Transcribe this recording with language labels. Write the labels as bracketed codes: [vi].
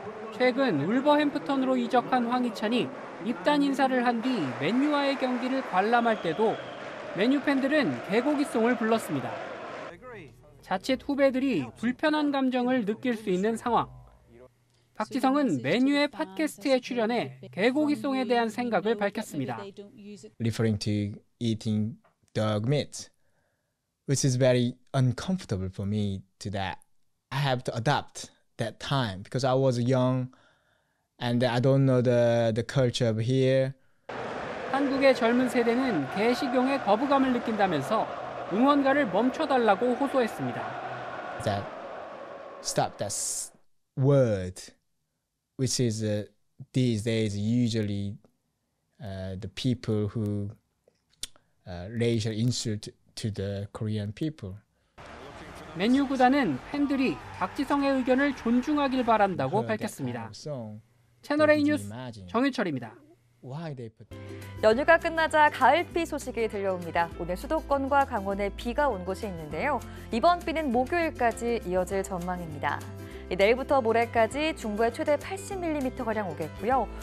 [ko] 최근 울버햄프턴으로 이적한 황희찬이 입단 인사를 한 뒤 맨유와의 경기를 관람할 때도 맨유 팬들은 개고기송을 불렀습니다. 자칫 후배들이 불편한 감정을 느낄 수 있는 상황. 박지성은 맨유의 팟캐스트에 출연해 개고기송에 대한 생각을 밝혔습니다. [en] Referring to eating dog meat, which is very uncomfortable for me to that. I have to adapt that time because I was young and I don't know the culture of here. [ko] 한국의 젊은 세대는 개 식용에 거부감을 느낀다면서 응원가를 멈춰달라고 호소했습니다. [en] That stop that word. Which is these days usually the people who racial insult to the Korean people. [ko] 맨유 구단은 팬들이 박지성의 의견을 존중하길 바란다고 밝혔습니다. 채널A 뉴스 정유철입니다. 연휴가 끝나자 가을비 소식이 들려옵니다. 오늘 수도권과 강원에 비가 온 곳이 있는데요. 이번 비는 목요일까지 이어질 전망입니다. 내일부터 모레까지 중부에 최대 80mm가량 오겠고요.